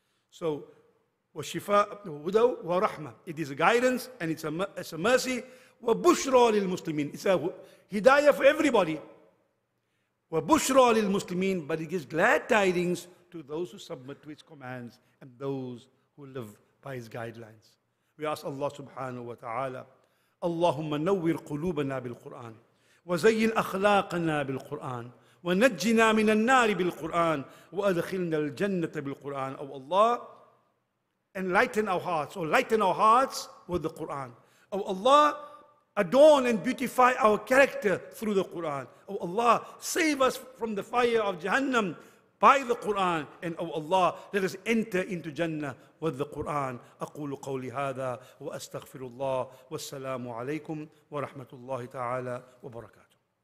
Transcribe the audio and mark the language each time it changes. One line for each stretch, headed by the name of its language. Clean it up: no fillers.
English: So,
Arabic: وَشِفَاء وَهُدَوْ وَرَحْمَةٌ,
English: it is a guidance and it's a mercy.
Arabic: وَبُشْرَى لِلْمُسْلِمِينَ,
English: it's a hidayah for everybody.
Arabic: وَبُشْرَى لِلْمُسْلِمِينَ,
English: but it gives glad tidings to those who submit to its commands and those who live by its guidelines. We ask Allah subhanahu wa ta'ala,
Arabic: اللهم نور قلوبنا بالقرآن وزين أخلاقنا بالقرآن ونجنا من النار بالقرآن وأدخلنا الجنة بالقرآن.
English: Oh Allah, enlighten our hearts, or lighten our hearts with the Quran. Oh Allah, adorn and beautify our character through the Quran. Oh Allah, save us from the fire of Jahannam by the Quran. And oh Allah, let us enter into Jannah with the Quran.
Arabic: أقول قولي هذا وأستغفر الله والسلام عليكم ورحمة الله تعالى وبركاته.